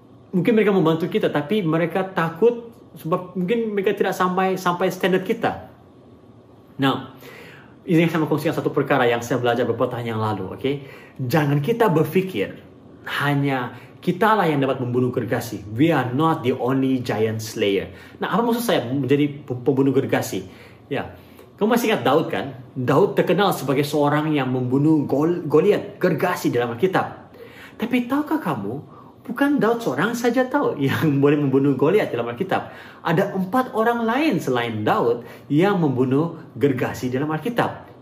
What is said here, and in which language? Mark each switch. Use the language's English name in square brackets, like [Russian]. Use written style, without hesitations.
[Malay] Mungkin mereka membantu kita, tapi mereka takut sebab mungkin mereka tidak sampai standard kita. Now, izinkan saya mengkongsikan satu perkara yang saya belajar beberapa tahun yang lalu, okay? Jangan kita berpikir hanya kitalah yang dapat membunuh gergasi. [English] We are not the only giant slayer. [Malay] Nah, apa maksud saya menjadi pembunuh gergasi? Ya, kamu masih ingat Daud kan? Daud terkenal sebagai seorang yang membunuh Goliat, gergasi dalam Alkitab. Tapi tahukah kamu, bukan Daud seorang saja tahu yang boleh membunuh Goliat dalam Alkitab. Ada 4 orang lain selain Daud yang membunuh gergasi dalam Alkitab.